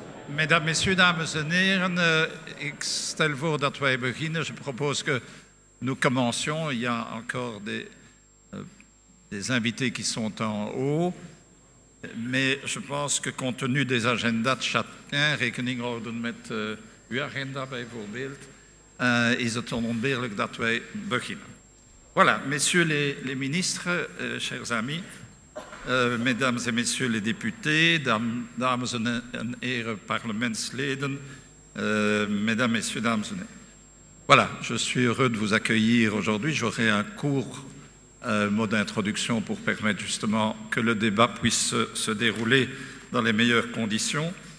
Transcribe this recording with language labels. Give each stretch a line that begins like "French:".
French: Mesdames, messieurs,
Dutch: dames en heren, ik stel voor dat wij beginnen.
French: Je propose que nous commencions. Il y a encore des invités qui sont en haut. Mais je pense que compte tenu des agendas de chacun,
Dutch: rekening houden met uw agenda bijvoorbeeld, is het onontbeerlijk dat wij beginnen.
French: Voilà, messieurs les ministres, chers amis, mesdames et messieurs les députés,
Dutch: dames en heren parlementsleden,
French: mesdames, messieurs,
Dutch: dames en heren.
French: Voilà, je suis heureux de vous accueillir aujourd'hui. J'aurai un court mot d'introduction pour permettre justement que le débat puisse se dérouler dans les meilleures conditions.